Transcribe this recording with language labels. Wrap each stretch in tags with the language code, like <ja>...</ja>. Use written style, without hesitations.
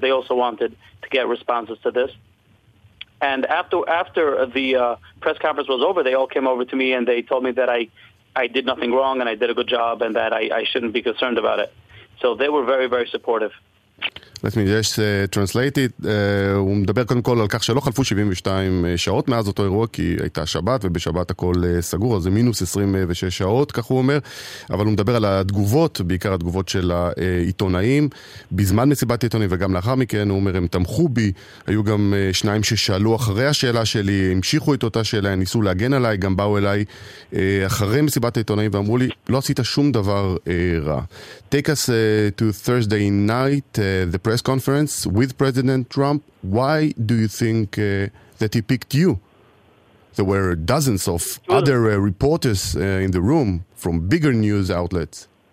<en>They also wanted to get responses to this. And after the press conference was over, they all came over to me and they told me that I did nothing wrong and I did a good job and that I shouldn't be concerned about it. So they were very, very supportive. Let me just translate it.</en> <he>הוא מדבר קודם כל על כך שלא חלפו 72 שעות מאז אותו אירוע, כי הייתה שבת ובשבת הכל סגור, אז זה מינוס 26 שעות, כך הוא אומר. אבל הוא מדבר על התגובות, בעיקר התגובות של העיתונאים. בזמן מסיבת העיתונאים וגם לאחר מכן, הוא אומר, הם תמכו בי. היו גם שניים ששאלו אחרי השאלה שלי, המשיכו את אותה שאלה, ניסו להגן עליי, גם באו אליי אחרי מסיבת העיתונאים ואמרו לי, לא עשית שום דבר רע.</he> <en>Take us to Thursday night, the press conference with President Trump. Why do you think that he picked you? There were dozens of other reporters in the room from bigger news outlets.</en>